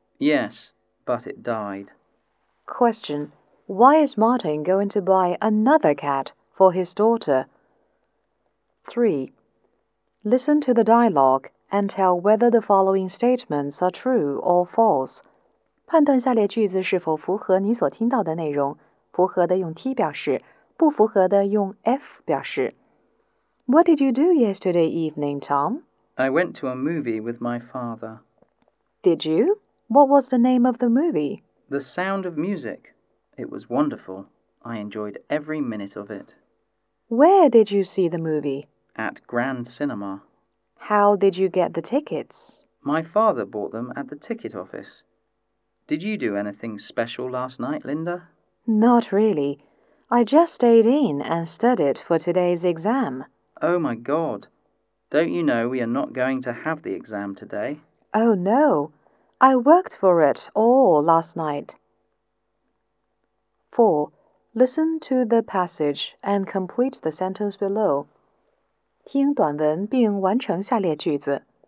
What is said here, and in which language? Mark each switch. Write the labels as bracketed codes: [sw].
[en] Yes, but it died. Question. Why is Martin going to buy another cat for his daughter? 3. Listen to the dialogue and tell whether the following statements are true or false. [zh] 判断下列句子是否符合你所听到的内容。符合的用T表示。不符合的用 F 表示。 [en] What did you do yesterday evening, Tom? I went to a movie with my father. Did you? What was the name of the movie? The Sound of Music. It was wonderful. I enjoyed every minute of it. Where did you see the movie? At Grand Cinema. How did you get the tickets? My father bought them at the ticket office. Did you do anything special last night, Linda? Not really. I just stayed in and studied for today's exam. Oh my God. Don't you know we are not going to have the exam today? Oh no. I worked for it all last night. 4. Listen to the passage and complete the sentence below. [zh] 听短文并完成下列句子。